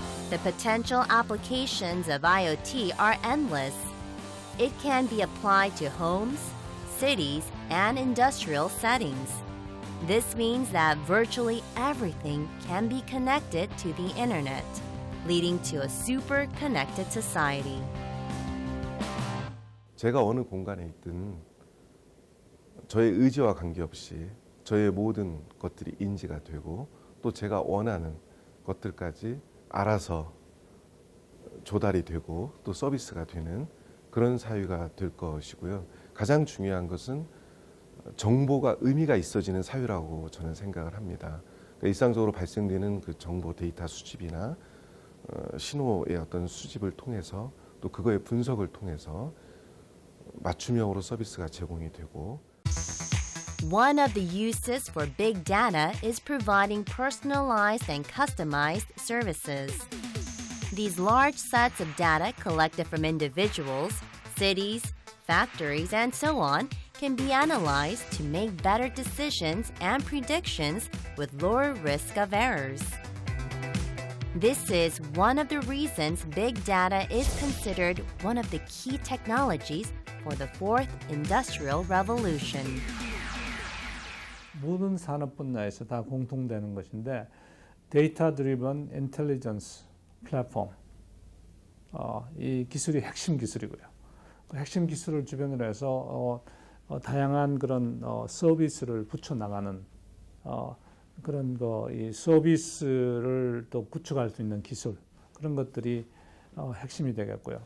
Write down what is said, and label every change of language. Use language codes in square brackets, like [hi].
[en] The potential applications of IoT are endless. It can be applied to homes, cities, and industrial settings. This means that virtually everything can be connected to the internet, leading to a super connected society. [ko] 제가 어느 공간에 있든 저의 의지와 관계없이 저의 모든 것들이 인지가 되고 또 제가 원하는 것들까지 알아서 조달이 되고 또 서비스가 되는 그런 사유가 될 것이고요. 가장 중요한 것은 정보가 의미가 있어지는 사유라고 저는 생각을 합니다. 그러니까 일상적으로 발생되는 그 정보 데이터 수집이나 신호의 어떤 수집을 통해서 또 그거의 분석을 통해서 맞춤형으로 서비스가 제공이 되고 [en] One of the uses for big data is providing personalized and customized services. These large sets of data collected from individuals, cities, factories, and so on can be analyzed to make better decisions and predictions with lower risk of errors. This is one of the reasons big data is considered one of the key technologies for the fourth industrial revolution. [ko] 모든 산업 분야에서 다 공통되는 것인데 데이터 드리븐 인텔리전스 플랫폼 이 기술이 핵심 기술이고요. 그 핵심 기술을 주변으로 해서 다양한 그런 서비스를 붙여 나가는 그런 거 이 서비스를 또 구축할 수 있는 기술 그런 것들이 핵심이 되겠고요.